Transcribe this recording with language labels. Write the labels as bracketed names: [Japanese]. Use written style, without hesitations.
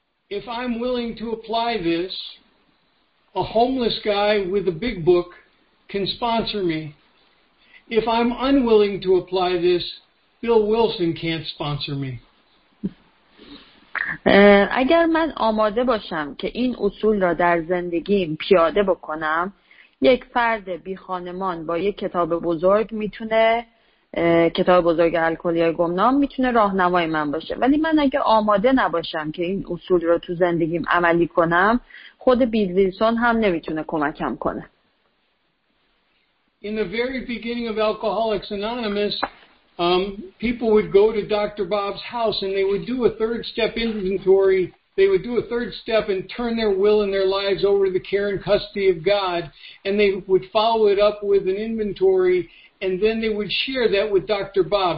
[English] If I'm willing to apply this, a homeless guy with a big book can sponsor me. If I'm unwilling to apply this, Bill Wilson can't sponsor me. [Persian] اگر من آماده باشم که این اصول را در زندگیم پیاده بکنم، یک فرد بی خانمان با یک کتاب بزرگ میتونه کتاب بزرگ الکلی یا گمنام میتونه راهنمای من باشه. ولی من اگه آماده نباشم که این اصول رو تو زندگیم عملی کنم، خود بیل ویلسون هم نمیتونه کمکم کنه. [English] In the very beginning of Alcoholics Anonymous, people would go to Dr. Bob's house and they would do a third step inventory. They would do a third step and turn their will and their lives over to the care and custody of God, and they would follow it up with an inventory, and then they would share that with Dr. Bob.